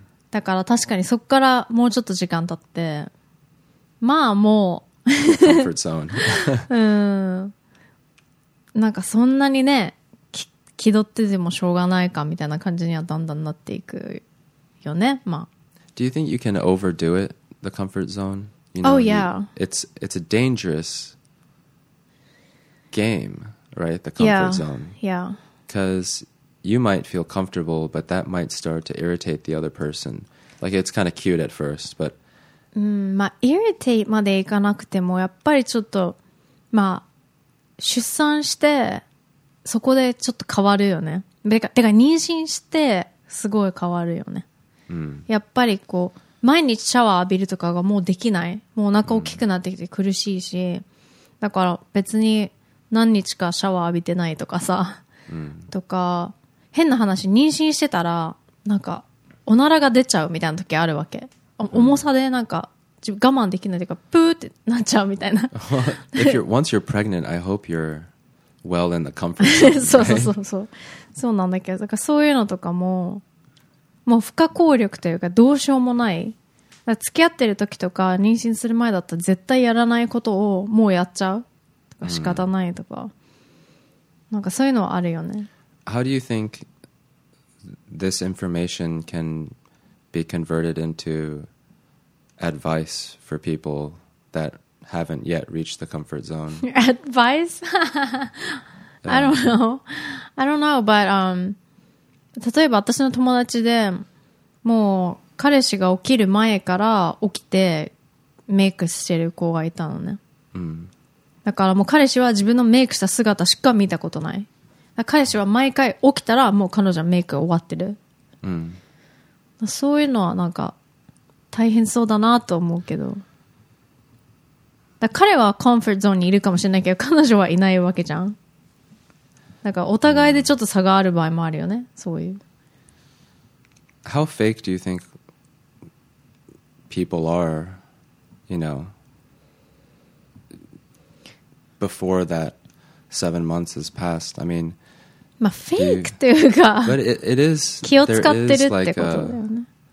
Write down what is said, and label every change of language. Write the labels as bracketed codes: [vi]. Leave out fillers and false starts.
[ja] だから確かにそこからもうちょっと時間経って、まあもう、 [en] comfort zone. [ja] うん、なんかそんなにね、気取っててもしょうがないかみたいな感じにはだんだんなっていくよね、まあ。 [en] Do you think you can overdo it, the comfort zone? You know, oh yeah. It's a dangerous game, right? The comfort yeah, zone. Yeah. Because you might feel comfortable, but that might start to irritate the other person. Like, it's kind of cute at first, but... [ja] irritate までいかなくても、やっぱりちょっと、まあ、出産して、そこでちょっと変わるよね。てか、妊娠して、すごい変わるよね。やっぱりこう、毎日シャワー浴びるとかがもうできない。もうお腹大きくなってきて苦しいし、だから別に何日かシャワー浴びてないとかさ、とか、変な話、妊娠してたら、なんか、おならが出ちゃうみたいな時あるわけ。重さでなんか、我慢できないというか、プーってなっちゃうみたいな。 [en] If you're, once you're pregnant, I hope you're well in the comfort zone. [ja] そうそうそうそう。そうなんだけど、だからそういうのとかも、もう不可抗力というかどうしようもない、だから付き合ってる時とか妊娠する前だったら絶対やらないことをもうやっちゃうとか仕方ないとか、なんかそういうのはあるよね。 [en] How do you think this information can be converted into advice for people that haven't yet reached the comfort zone? Advice? I don't know but [ja] 例えば私の友達でもう彼氏が起きる前から起きてメイクしてる子がいたのね、だからもう彼氏は自分のメイクした姿しか見たことない。だから彼氏は毎回起きたらもう彼女はメイク終わってる、そういうのはなんか大変そうだなと思うけど、だから彼はコンフォートゾーンにいるかもしれないけど彼女はいないわけじゃん。なんかお互いでちょっと差がある場合もあるよね、そういう。 [en] How fake do you think people are, you know, before that 7 months has passed? I mean, [ja] まあ、fake っていうか、 [en] but it is, [ja] 気を使ってるってことだよね。